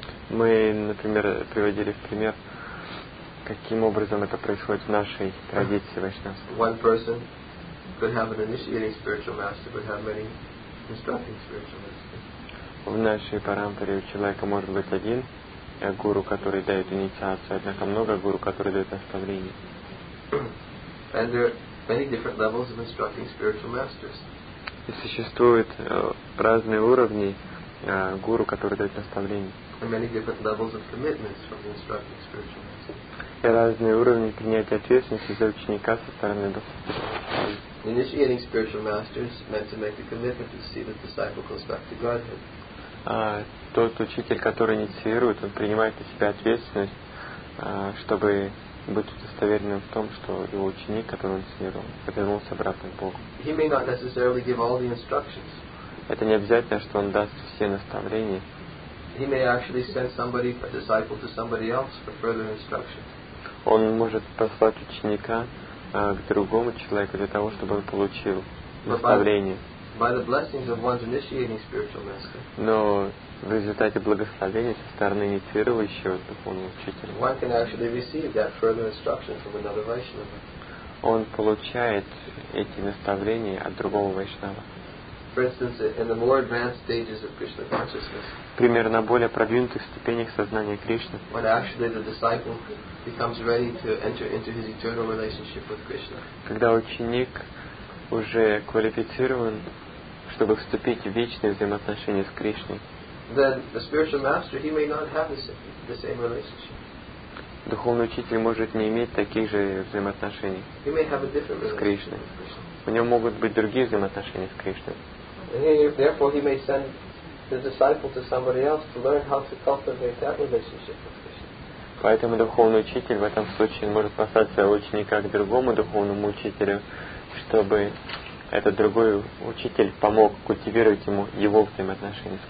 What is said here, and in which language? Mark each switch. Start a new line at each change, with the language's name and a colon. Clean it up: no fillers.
Russian: Мы, например, приводили в пример, каким образом это происходит в нашей традиции вайшнавства.
English: One person could have an initiating spiritual master, but have many instructing spiritual masters.
Russian: В нашей парампаре у человека может быть один гуру, который дает инициацию, однако много гуру, которые дают наставление.
English: And there are many different levels of instructing spiritual masters.
Russian: И существуют разные уровни гуру, которые дают наставление.
English: And many different levels of commitments from the instructing spiritual masters.
Russian: И разные уровни принятия ответственности за ученика со стороны духовного.
English: Initiating spiritual masters meant to make a commitment to see the disciple goes back to Godhead.
Russian: Тот учитель, который инициирует, он принимает на себя ответственность, чтобы быть удостоверенным в том, что его ученик, который он инициировал, вернулся обратно к Богу.
English: He may not necessarily give all the instructions.
Russian: Это не обязательно, что он даст все наставления.
English: He may actually send somebody, a disciple, to somebody else for further instructions.
Russian: Он может послать ученика к другому человеку для того, чтобы он получил наставление.
English: By the blessings of one's initiating spiritual master.
Russian: Но в результате благословения со стороны инициирующего духовного учителя.
English: One can actually receive that further instruction from another Vaishnava.
Russian: Он получает эти наставления от другого Вайшнава.
English: For instance, in the more advanced stages of Krishna consciousness.
Russian: Примерно на более продвинутых ступенях сознания Кришны.
English: When actually the disciple becomes ready to enter into his eternal relationship with Krishna.
Russian: Когда ученик уже квалифицирован, чтобы вступить в вечные взаимоотношения с Кришной.
English: Then the spiritual master, he may not have the same relationship.
Russian: Духовный учитель может не иметь таких же взаимоотношений.
English: He may have a different relationship with Krishna.
Russian: У него могут быть другие взаимоотношения с Кришной.
English: Therefore, he may send the disciple to somebody else to learn how to cultivate that relationship.
Russian: Поэтому духовный учитель в этом случае может послать своего ученика к другому духовному учителю, чтобы этот другой учитель помог культивировать ему его взаимоотношения с